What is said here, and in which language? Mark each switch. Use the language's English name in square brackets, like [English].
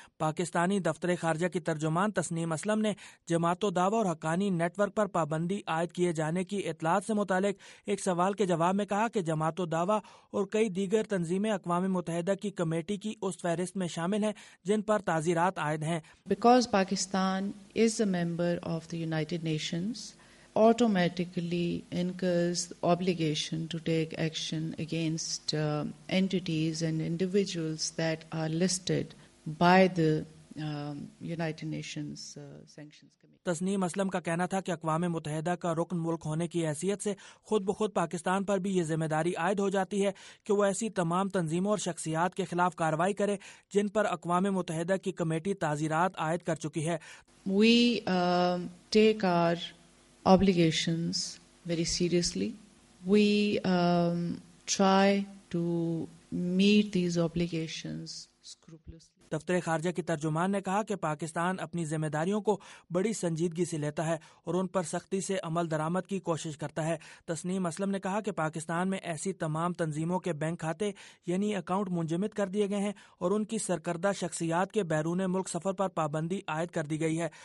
[Urdu] پاکستانی دفتر خارجہ کی ترجمان تسنیم اسلم نے جماعت و دعویٰ اور حقانی نیٹ ورک پر پابندی عائد کیے جانے کی اطلاعات سے متعلق ایک سوال کے جواب میں کہا کہ جماعت و دعویٰ اور کئی دیگر تنظیمیں اقوام متحدہ کی کمیٹی کی اس فہرست میں شامل ہیں جن پر تعزیرات عائد ہیں. [English] Because Pakistan is a member of the United Nations, automatically incurs the obligation to take action against entities and individuals that are listed by the United Nations sanctions committee. [Urdu] Tasnim Aslam کا کہنا تھا کہ اقوام متحدہ کا رکن ملک ہونے کی حیثیت سے خود بخود پاکستان پر بھی یہ ذمہ داری عائد ہو جاتی ہے کہ وہ ایسی تمام تنظیموں اور شخصیات کے خلاف کارروائی کرے جن پر اقوام متحدہ کی کمیٹی تعزیرات عائد کر چکی ہے. [English] We take our obligations very seriously. We try to meet these obligations scrupulously. [Urdu] دفتر خارجہ کی ترجمان نے کہا کہ پاکستان اپنی ذمہ داریوں کو بڑی سنجیدگی سے لیتا ہے اور ان پر سختی سے عمل درآمد کی کوشش کرتا ہے. تسنیم اسلم نے کہا کہ پاکستان میں ایسی تمام تنظیموں کے بینک کھاتے یعنی اکاؤنٹ منجمد کر دیے گئے ہیں اور ان کی سرکردہ شخصیات کے بیرون ملک سفر پر پابندی عائد کر دی گئی ہے.